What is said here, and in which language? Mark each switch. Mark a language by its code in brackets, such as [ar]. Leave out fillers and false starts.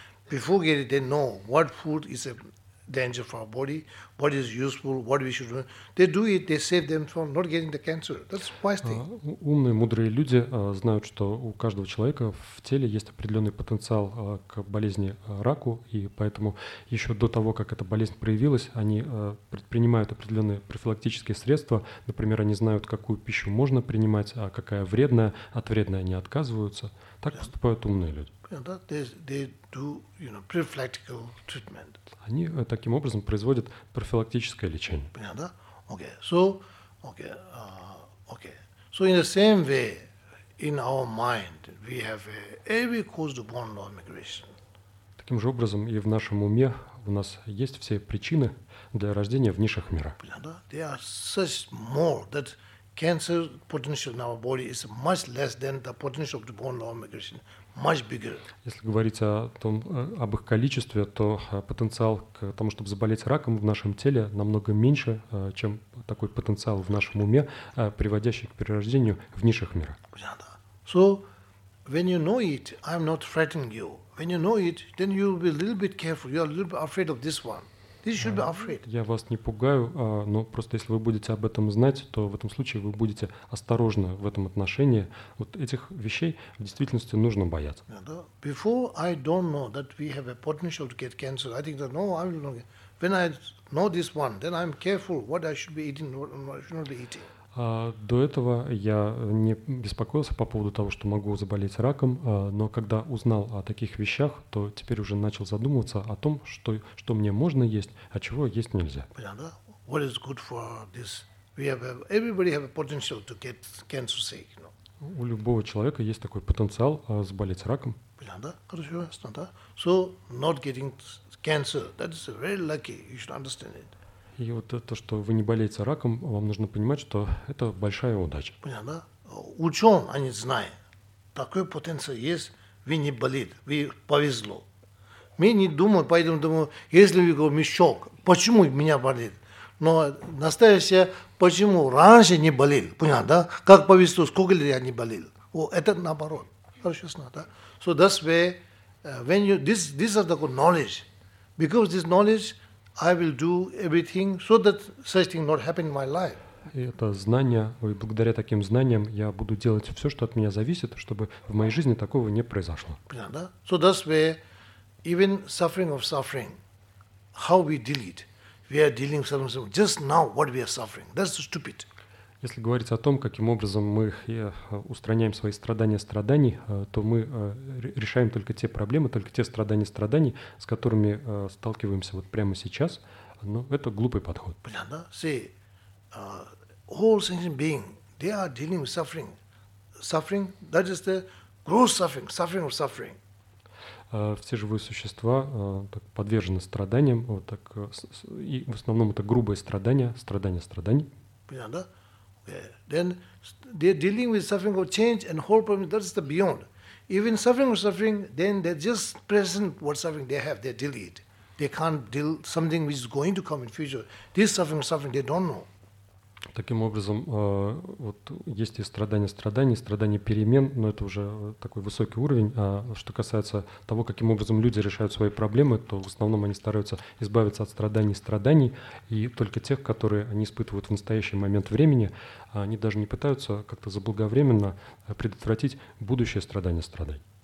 [en] Before getting it, they know what food is a danger for our body, what is useful, what we should do. They do it, they save them from not getting the cancer. That's wise thing. [ru] Умные, мудрые люди знают, что у каждого человека в теле есть определенный потенциал к болезни раку, и поэтому еще до того, как эта болезнь проявилась, они предпринимают определенные профилактические средства. Например, они знают, какую пищу можно принимать, а какая вредная, от вредной они отказываются. Так поступают умные люди. [en] They do, you know, prophylactical treatment. [ru] Они таким образом производят профилактическое лечение. Понятно? [en] Okay. So, okay, okay. So in the same way, in our mind, we have every cause to born law migration. [ru] Таким же образом и в нашем уме у нас есть все причины для рождения в низших мирах. Понятно? [en] There are such more that cancer potential in our body is much less than the potential of the born law migration. Much bigger. [ru] Если говорить о том, об их количестве, то потенциал к тому, чтобы заболеть раком в нашем теле, намного меньше, чем такой потенциал в нашем уме, приводящий к перерождению в низших мирах. [en] So, when you know it, I'm not threatening you. When you know it, then you will be a little bit careful. You are a little bit afraid of this one. This should be afraid. [ru] Я вас не пугаю, но просто если вы будете об этом знать, то в этом случае вы будете осторожны в этом отношении. Вот этих вещей в действительности нужно бояться. [en] Before I don't know that we have a potential to get cancer, I think that no, I will not get. When I know this one, then I'm careful what I should be eating, what I should not be eating. [ru] До этого я не беспокоился по поводу того, что могу заболеть раком, но когда узнал о таких вещах, то теперь уже начал задумываться о том, что мне можно есть, а чего есть нельзя. Понятно? [en] What is good for this? We have everybody have a potential to get cancer sick, you know? [ru] У любого человека есть такой потенциал заболеть раком. Понятно? Хорошо, ясно, да? [en] So not getting cancer, that is very lucky. You should understand it. [ru] И вот то, что вы не болеете раком, вам нужно понимать, что это большая удача. Понятно? Ученые, они знают, такой потенциал есть, вы не болеете, вы повезло. Мы не думаем, поэтому думаем, если вы говорите, мешок, почему меня болит? Но настоящее, почему раньше не болел? Понятно, да? Как повезло, сколько лет я не болел? О, это наоборот. Хорошо, ясно, да? [en] So that's where, when you, this is the knowledge. Because this knowledge, I will do everything so that such thing not happen in my life. [ru] Это знание, и благодаря таким знаниям я буду делать все, что от меня зависит, чтобы в моей жизни такого не произошло. Понятно? [en] So that's where even suffering of suffering, how we deal it, we are dealing something just now what we are suffering. That's stupid. [ru] Если говорить о том, каким образом мы устраняем свои страдания, то мы решаем только те проблемы, только те страдания, с которыми сталкиваемся вот прямо сейчас. Но это глупый подход. Понятно? [en] See, all sentient beings, they are dealing with suffering. Suffering, that is the gross suffering, suffering of suffering. [ru] Все живые существа так подвержены страданиям, вот так, и в основном это грубые страдания. Понятно? [en] Then they're dealing with suffering or change and whole problem. That's the beyond. Even suffering or suffering, then they're just present what suffering they have. They deal it. They can't deal something which is going to come in future. This suffering or suffering, they don't know. [ru] Таким образом, вот есть и страдания страданий, страдания перемен, но это уже такой высокий уровень. А что касается того, каким образом люди решают свои проблемы, то в основном они стараются избавиться от страданий страданий, и только тех, которые они испытывают в настоящий момент времени, они даже не пытаются как-то заблаговременно предотвратить будущее страдание страданий.